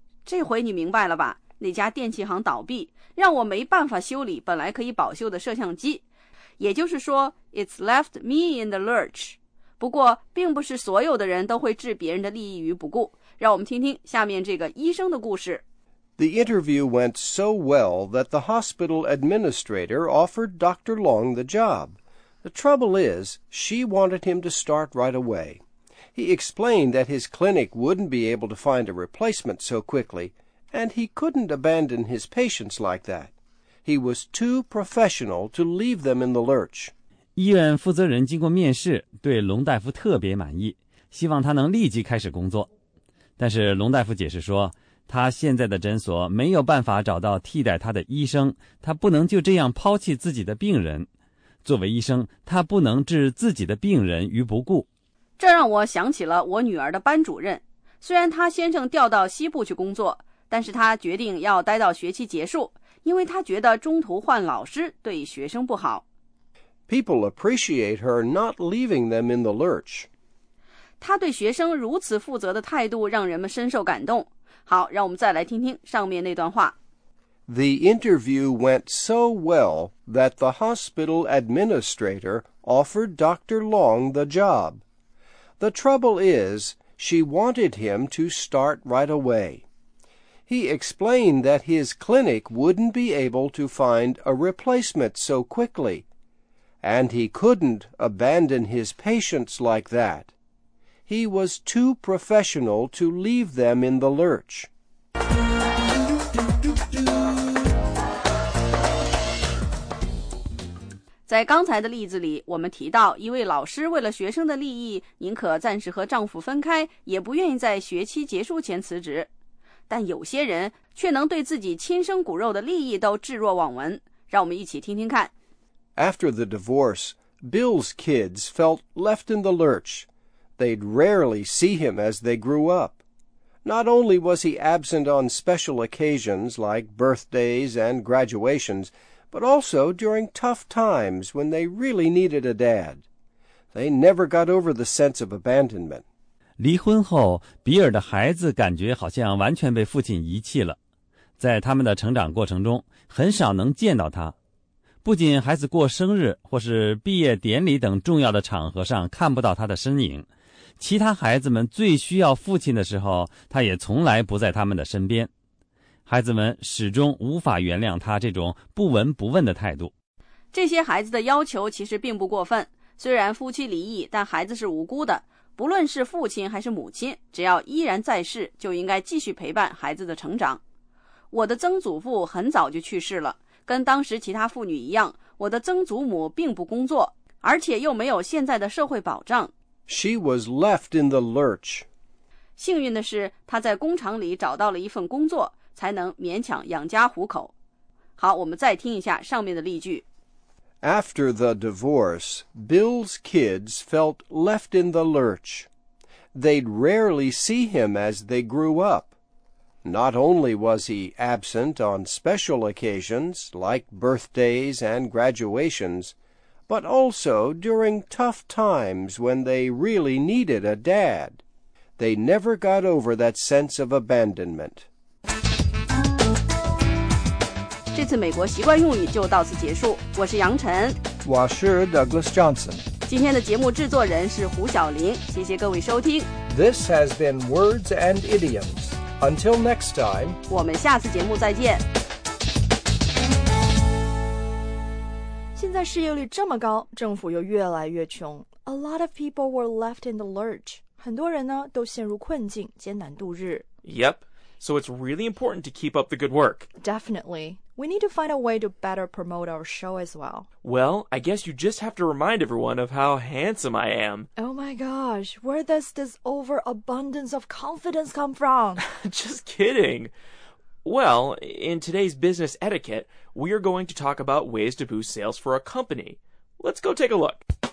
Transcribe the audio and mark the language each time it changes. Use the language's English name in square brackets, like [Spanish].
[Chinese] 这回你明白了吧？那家电器行倒闭，让我没办法修理本来可以保修的摄像机。也就是说 [English] ,It's left me in the lurch. [Chinese] 不过并不是所有的人都会置别人的利益于不顾。让我们听听下面这个医生的故事。 [English] The interview went so well that the hospital administrator offered Dr. Long the job. The trouble is, she wanted him to start right away. He explained that his clinic wouldn't be able to find a replacement so quickly, and he couldn't abandon his patients like that. He was too professional to leave them in the lurch. [Chinese] 医院负责人经过面试，对龙大夫特别满意，希望他能立即开始工作。但是龙大夫解释说，他现在的诊所没有办法找到替代他的医生，他不能就这样抛弃自己的病人。作为医生，他不能置自己的病人于不顾。这让我想起了我女儿的班主任，虽然他先生调到西部去工作，但是他决定要待到学期结束，因为他觉得中途换老师对学生不好。 [English] People appreciate her not leaving them in the lurch. [Chinese] 她对学生如此负责的态度让人们深受感动。好，让我们再来听听上面那段话。 [English] The interview went so well that the hospital administrator offered Dr. Long the job. The trouble is, she wanted him to start right away. He explained that his clinic wouldn't be able to find a replacement so quickly, and he couldn't abandon his patients like that. He was too professional to leave them in the lurch. [Chinese] 在刚才的例子里，我们提到一位老师为了学生的利益，宁可暂时和丈夫分开，也不愿意在学期结束前辞职。但有些人却能对自己亲生骨肉的利益都置若罔闻。让我们一起听听看。 [English] After the divorce, Bill's kids felt left in the lurch. They'd rarely see him as they grew up. Not only was he absent on special occasions like birthdays and graduations, but also during tough times when they really needed a dad. They never got over the sense of abandonment. [Chinese] 离婚后，比尔的孩子感觉好像完全被父亲遗弃了。在他们的成长过程中，很少能见到他。不仅孩子过生日或是毕业典礼等重要的场合上看不到他的身影，其他孩子们最需要父亲的时候，他也从来不在他们的身边。孩子们始终无法原谅他这种不闻不问的态度。这些孩子的要求其实并不过分，虽然夫妻离异，但孩子是无辜的。不论是父亲还是母亲，只要依然在世，就应该继续陪伴孩子的成长。我的曾祖父很早就去世了，跟当时其他妇女一样，我的曾祖母并不工作，而且又没有现在的社会保障。 [English] She was left in the lurch. [Chinese] 幸运的是，她在工厂里找到了一份工作，才能勉强养家糊口。好，我们再听一下上面的例句。 [English] After the divorce, Bill's kids felt left in the lurch. They'd rarely see him as they grew up. Not only was he absent on special occasions, like birthdays and graduations, but also during tough times when they really needed a dad. They never got over that sense of abandonment. [Chinese] 这次美国习惯用语就到此结束。我是杨晨。我是 Douglas Johnson。今天的节目制作人是胡晓玲。谢谢各位收听。 [English] This has been Words and Idioms. Until next time. [Chinese] 我们下次节目再见。现在失业率这么高，政府又越来越穷。 [English] A lot of people were left in the lurch. [Chinese] 很多人呢都陷入困境，艰难度日。 [English] Yep. So it's really important to keep up the good work. Definitely. We need to find a way to better promote our show as well. Well, I guess you just have to remind everyone of how handsome I am. Oh my gosh, where does this overabundance of confidence come from? Just kidding. Well, in today's business etiquette, we are going to talk about ways to boost sales for a company. Let's go take a look.